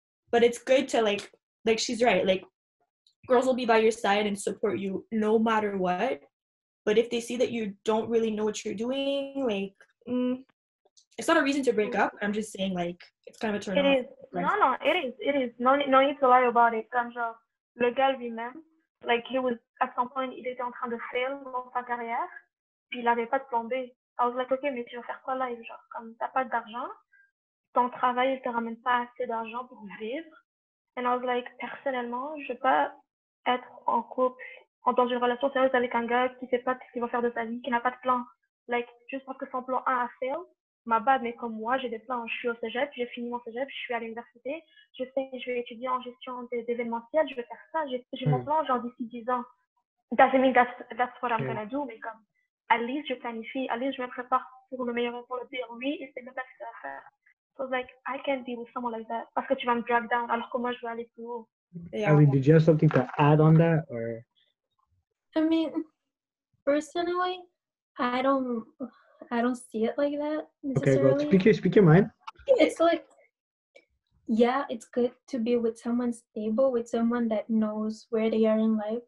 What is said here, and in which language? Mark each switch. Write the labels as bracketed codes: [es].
[en] But it's good to, like she's right. Like, girls will be by your side and support you no matter what. But if they see that you don't really know what you're doing, like, it's not a reason to break up. I'm just saying, like, it's kind of a turn off. It is. No, it is. No need to lie about it. [fr] Comme genre, le gars lui-même, like, [en] he was, at some point, [fr] il était en train de fail dans sa carrière, puis il avait pas de plan B. [en] I was like, ok, [fr] mais tu vas faire quoi là? Et genre, comme t'as pas d'argent, ton travail te ramène pas assez d'argent pour vivre. [en] And I was like, [fr] personnellement, je veux pas être en couple, dans une relation sérieuse avec un gars qui sait pas ce qu'il va faire de sa vie, qui n'a pas de plan. Like, juste parce que son plan A a fail, ma bad, mais comme moi, j'ai des plans. Je suis au cégep, j'ai fini mon cégep, je suis à l'université, je sais que je vais étudier en gestion d'événementiel, je vais faire ça, j'ai mon plan, genre d'ici 10 ans. [en] Doesn't mean that's what I'm gonna do, [fr] mais comme. At least je planifie, at least je me prépare pour le meilleur et pour le pire. Oui, et c'est le best à faire. [en] So, like, I can't deal with someone like that. [fr] Parce que tu vas me drag down alors que moi je veux aller plus haut. [en] Ali, did you have something to add on that? Or? I mean, personally, I don't see it like that necessarily. Okay, well, speak your mind. It's like, yeah, it's good to be with someone stable, with someone that knows where they are in life.